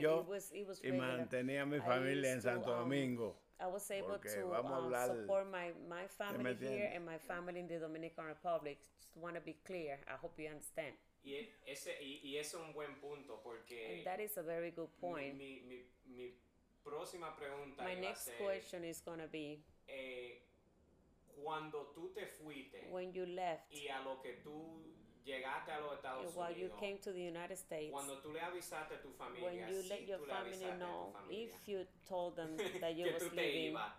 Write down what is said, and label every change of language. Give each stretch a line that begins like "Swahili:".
Spanish: yo y mantenía a mi familia en Santo Domingo.
English: I was able to support my family here and my family in the Dominican Republic. Just want to be clear. I hope you understand.
Spanish: Y es un buen punto porque.
English: And that is a very good point.
Spanish: Mi próxima pregunta.
English: My next question is gonna be.
Spanish: Cuando tú te fuiste.
English: When you left.
Spanish: Y a lo que tú llegaste a los Estados Unidos.
English: While you came to the United States.
Spanish: Cuando tú le avisaste a tu familia.
English: When you let your family know. If you told them that you was leaving.